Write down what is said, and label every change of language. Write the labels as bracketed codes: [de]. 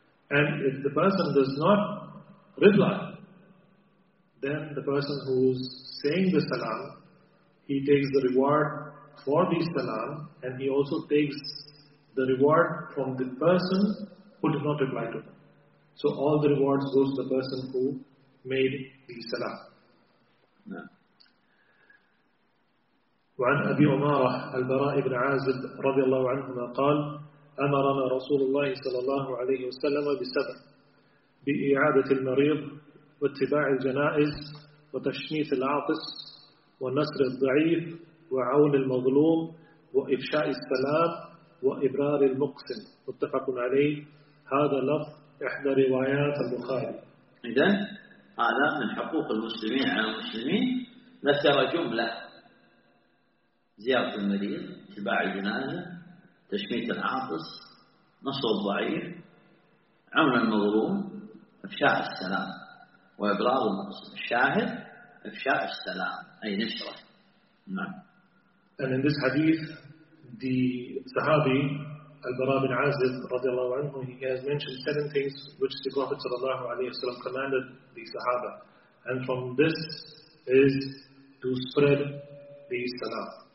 [en] And if the person does not reply, then the person who is saying the salam, he takes the reward for the salam, and he also takes the reward from the person who did not reply to him. So all the rewards go to the person who made the salam. [ar] وعن أبي عمارة البراء بن عازب رضي الله عنهما قال أمرنا رسول الله صلى الله عليه وسلم بسبع: بإعادة المريض، واتباع الجنائز، وتشميت العاطس، ونصر الضعيف، وعون المظلوم، وإفشاء السلام، وإبرار المقسم. متفق عليه. هذا لفظ إحدى روايات البخاري. إذن هذا من حقوق المسلمين على المسلمين، نسر جملة: زيارة المريض، اتباع الجنائز، تشميت العاطس، نصر الضعيف، عون المظلوم، افشاء السلام، وابلاغ الشاهد افشاء السلام، اي نشره. نعم. [en] And in this hadith, the Sahabi Al-Bara bin Azib [ar] رضي الله عنه, [en] he has mentioned seven things which the Prophet [ar] صلى الله عليه وسلم [en] commanded the Sahaba. And from this is to spread the salam.